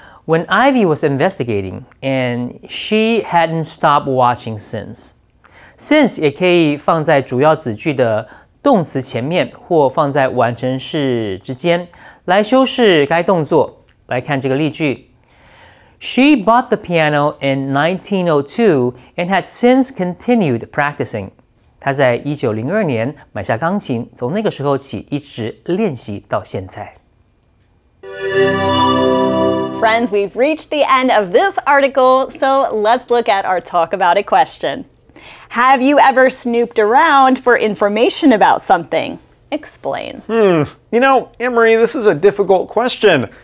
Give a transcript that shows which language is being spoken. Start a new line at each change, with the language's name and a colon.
English: When Ivy was investigating, and she hadn't stopped watching since.
Chinese: Since 也可以放在主要子句的动词前面或放在完成式之间来修饰该动作。来看这个例句。
English: She bought the piano in 1902 and had since continued practicing.
Chinese: 她在1902年买下钢琴，从那个时候起一直练习到现在。
English: Friends, we've reached the end of this article, so let's look at our talk about a question. Have you ever snooped around for information about something? Explain. You know, Emery, this is a difficult question.